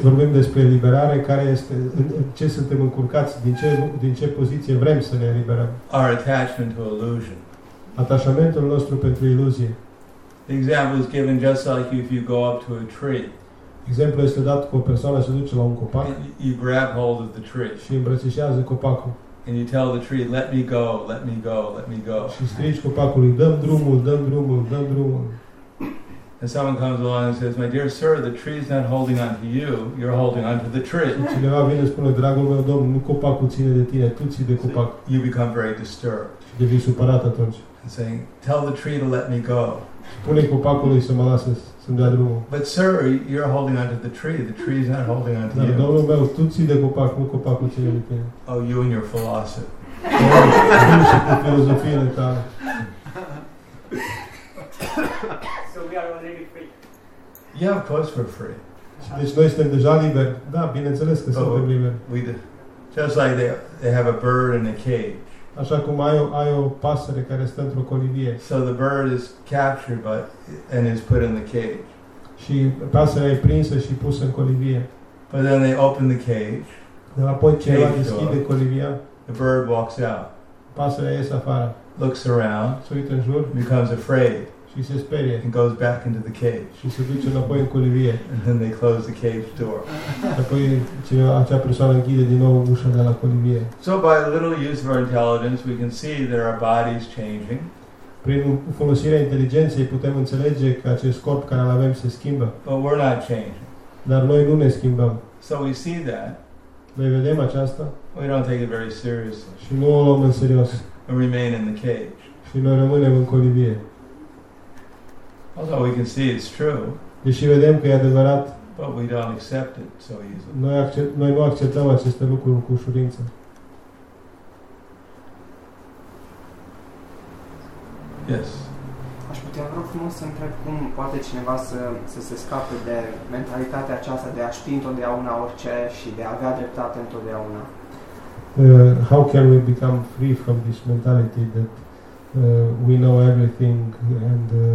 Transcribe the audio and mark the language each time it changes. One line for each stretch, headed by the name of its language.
Romanian: Vorbim despre eliberare, care este, ce suntem încurcați, din ce poziție vrem să ne eliberăm.
English: Our attachment to illusion.
Romanian: Atașamentul nostru pentru iluzie.
English: The example is given just like if you go up to a tree.
Romanian: Exemplul este dat cu o persoană se duce la un copac.
English: You grab hold of the tree.
Romanian: Și îmbrățișează copacul.
English: And you tell the tree, let me go, let me go, let me go.
Romanian: Și strigi copacului, dăm drumul, dăm drumul, dăm drumul.
English: And someone comes along and says, my dear sir, the tree is not holding on to you, you're holding on to the tree.
Romanian: Cineva vine și spune, dragul meu domn, nu copacul ține de tine, tu ții de copac.
English: So you become very disturbed.
Romanian: Și devii supărat atunci.
English: And saying, tell the tree to let me go.
Romanian: Spune copacului să mă lasă, să-mi dea drumul.
English: But sir, you're holding on to the tree is not holding on to you.
Romanian: Domnul meu, tu ții de copac, nu copacul ține de tine.
English: Oh, you and your philosophy.
Romanian: Tu și cu filozofiile tale.
English: So we are already free. Yeah, of course we're free.
Romanian: Deci noi suntem deja liberi. Da, bineînțeles că suntem liberi.
English: We do. Just like they have a bird in a cage.
Romanian: Așa cum ai o pasăre care stă într-o colivie.
English: So the bird is captured but and is put in the cage.
Romanian: Și pasărea e prinsă și pusă în colivie.
English: But then they open the cage.
Romanian: Dar apoi cineva deschide colivia.
English: The bird walks out.
Romanian: Pasărea iese afară.
English: Looks around.
Romanian: Se uită în jur.
English: Becomes afraid.
Romanian: Și se sperie.
English: And goes back into the cage.
Romanian: Și se duce înapoi în colivie.
English: And then they close the cage door.
Romanian: Apoi acea persoană închide din nou ușa de la colivie.
English: So by a little use of our intelligence, we can see that our body is changing.
Romanian: Prin folosirea inteligenței putem înțelege că acest corp care îl avem se schimbă.
English: But we're not changing.
Romanian: Dar noi nu ne schimbăm.
English: So we see that.
Romanian: Noi vedem aceasta.
English: We don't take it very seriously.
Romanian: Și nu o luăm în serios.
English: And remain in the cage.
Romanian: Și noi rămânem în colivie.
English: Although we can see it's true.
Romanian: Deși vedem că e adevărat.
English: But we don't accept it so easily.
Romanian: Noi nu acceptăm aceste lucruri cu ușurință.
English: Yes.
Romanian: Aș putea vreau frumos să întreb cum poate cineva să se scape de mentalitatea aceasta de a ști întotdeauna orice și de a avea dreptate întotdeauna.
English: How can we become free from this mentality that we know everything and